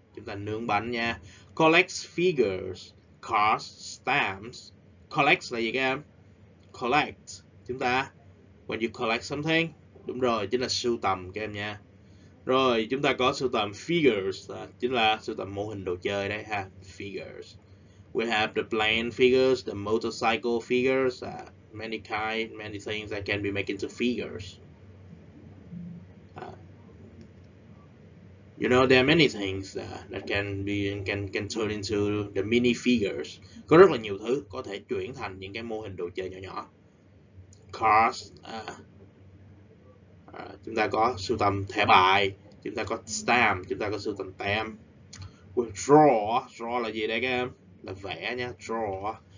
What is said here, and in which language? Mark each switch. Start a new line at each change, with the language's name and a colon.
Vietnamese: Chúng ta nướng bánh nha.
English: Collect figures, cards, stamps.
Vietnamese: Collect là gì các em? Collect, chúng ta,
English: when you collect something,
Vietnamese: đúng rồi, chính là sưu tầm các em nha. Rồi, chúng ta có sưu tầm figures, chính là sưu tầm mô hình đồ chơi đấy ha, figures.
English: We have the plane figures, the motorcycle figures, many kind, many things that can be made into figures. You know, there are many things that can turn into the mini figures.
Vietnamese: Có rất là nhiều thứ có thể chuyển thành những cái mô hình đồ chơi nhỏ nhỏ. Cars, chúng ta có sưu tầm thẻ bài, chúng ta có stamp, chúng ta có sưu tầm tem. With draw là gì đây các em? Là vẽ nha, draw.